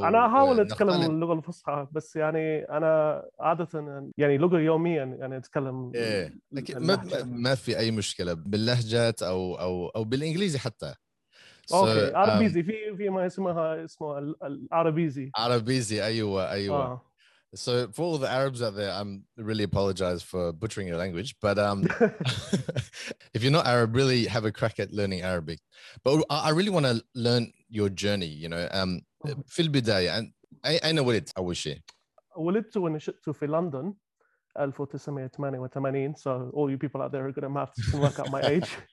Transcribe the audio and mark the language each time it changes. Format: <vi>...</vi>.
<ar>أنا أحاول أتكلم اللغة الفصحى بس يعني أنا عادة يعني لغة يوميا يعني أتكلم. إيه. ما في أي مشكلة باللهجات أو بالإنجليزي حتى. أوكي. عربيزي في ما اسمه العربيزي. عربيزي أيوة.</ar> <en>So for all the Arabs out there, I'm really apologize for butchering your language. But if you're not Arab, really have a crack at learning Arabic. But I really want to learn your journey, you know.</en> <ar>في البداية, أين ولدت أول شيء؟ ولدت ونشأت في لندن 1988.</ar> <en>So all you people out there are good at maths, can work out my age.</en>